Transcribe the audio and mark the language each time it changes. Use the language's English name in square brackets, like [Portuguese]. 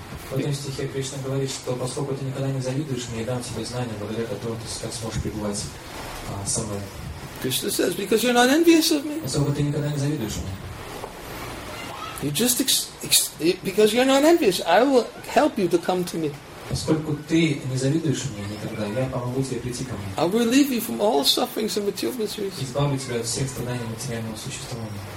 [Russian] В этом стихе Кришна говорит, что поскольку ты никогда не завидуешь мне, я дам тебе знания, благодаря которым ты как сможешь пребывать со мной. [English] Krishna says, because you're not envious of me. [Russian] Поскольку ты никогда не завидуешь мне. [English] You just because you're not envious, I will help you to come to me. [Russian] Поскольку ты не завидуешь мне никогда, я помогу тебе прийти ко мне. [English] I will relieve you from all sufferings and material miseries. [Russian] Избавлю тебя от всех страданий материального существования.